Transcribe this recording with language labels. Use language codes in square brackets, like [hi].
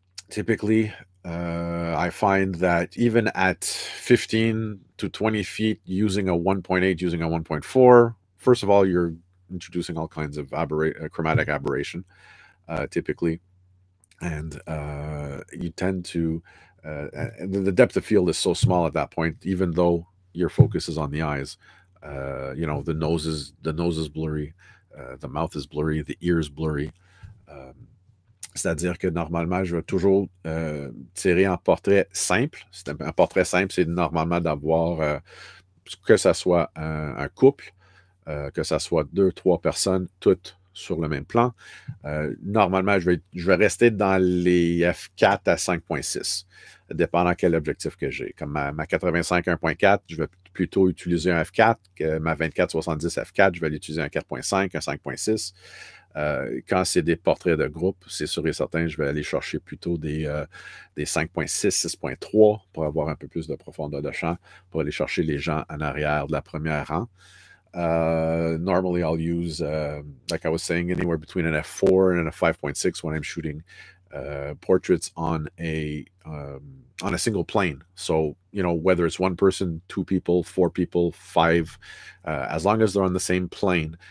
[en] Typically, I find that even at 15 to 20 feet, using a 1.8, using a 1.4, first of all, you're introducing all kinds of chromatic aberration, typically. And you tend to, the depth of field is so small at that point, even though your focus is on the eyes. You know, the nose is blurry, the mouth is blurry, the ear is blurry. [fr] C'est-à-dire que normalement, je vais toujours tirer en portrait simple. Un portrait simple, c'est normalement d'avoir, que ça soit un couple, que ça soit deux, trois personnes, toutes sur le même plan. Normalement, je vais rester dans les F4 à 5.6, dépendant quel objectif que j'ai. Comme ma 85 1.4, je vais plutôt utiliser un F4, que ma 24-70 F4, je vais l'utiliser un 4.5, un 5.6. Quand c'est des portraits de groupe, c'est sûr et certain, je vais aller chercher plutôt des 5.6, 6.3 pour avoir un peu plus de profondeur de champ, pour aller chercher les gens en arrière de la première rang. [en] Normally, I'll use, like I was saying, anywhere between an F4 and a 5.6 when I'm shooting portraits on a single plane. So, you know, whether it's one person, two people, four people, five, as long as they're on the same plane.